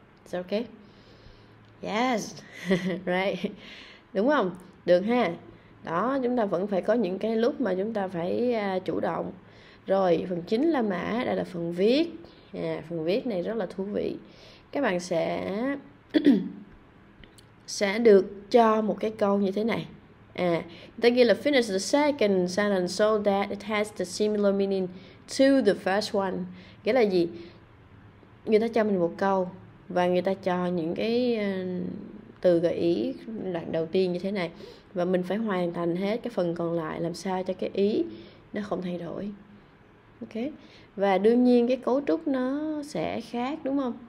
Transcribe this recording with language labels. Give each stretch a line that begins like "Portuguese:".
English: It's okay. Yes. Right.
Vietnamese: Đúng không? Được ha. Đó, chúng ta vẫn phải có những cái lúc mà chúng ta phải chủ động. Rồi, phần chính là mã, đây là phần viết. À, phần viết này rất là thú vị. Các bạn sẽ sẽ được cho một cái câu như thế này. À, ta ghi là
English: finish the second sentence so that it has the similar meaning to the first one.
Vietnamese: Nghĩa là gì? Người ta cho mình một câu và người ta cho những cái từ gợi ý đoạn đầu tiên như thế này, và mình phải hoàn thành hết cái phần còn lại, làm sao cho cái ý nó không thay đổi. Ok. Và đương nhiên cái cấu trúc nó sẽ khác, đúng không?